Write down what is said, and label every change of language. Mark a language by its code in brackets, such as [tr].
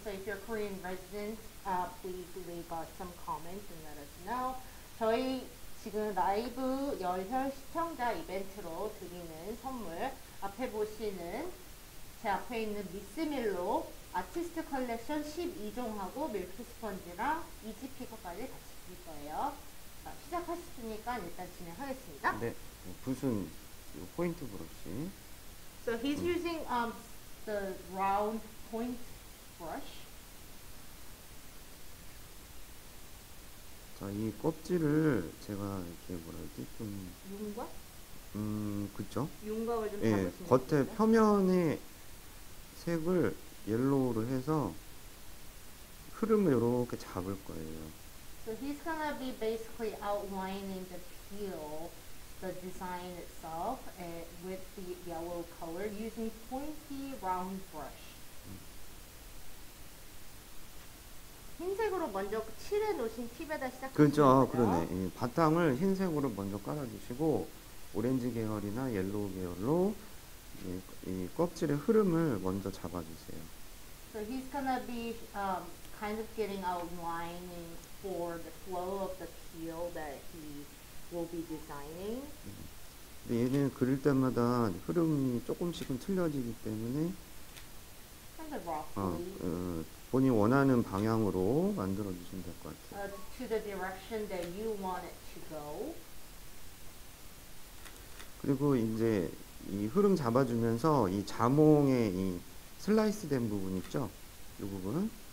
[en] So if you're Korean residents, please leave us some comments and let us know. [ko] 저희 지금 라이브 열혈 시청자 이벤트로 드리는 선물, 앞에 보시는 제 앞에 있는 미스 밀로 아티스트 컬렉션 12종하고 밀크 스펀지랑 이지 피커까지 같이 드릴 거예요. 자, 시작하셨으니까 일단 진행하겠습니다. 네, 무슨 포인트 브러쉬. [en] So he's using the round point brush. [ko] 자, 이 껍질을 제가 이렇게 뭐랄지 좀 윤곽? 그죠? 윤곽을 좀 예, 겉에 표면의 색을 옐로우로 해서 흐름을 이렇게 잡을 거예요. [en] So he's gonna be basically outlining the peel. The design itself with the yellow color using pointy round brush. [ko] 흰색으로 먼저 칠해 놓으신 팁에다 시작. 그렇죠, 그러네. 예, 바탕을 흰색으로 먼저 깔아주시고 오렌지 계열이나 옐로우 계열로 이 껍질의 흐름을 먼저 잡아주세요. [en] So he's gonna be kind of getting outlining for the flow of the peel that he. will be designing. [ko] 얘는 그릴 때마다 흐름이 조금씩은 틀려지기 때문에 [en] kind of roughly [ko] 본인 원하는 방향으로 만들어 주시면 될 것 같아요. [en] To the direction that you want it to go. [ko] 그리고 이제 이 흐름 잡아 주면서 이 자몽의 이 슬라이스 된 부분 있죠? 이 부분.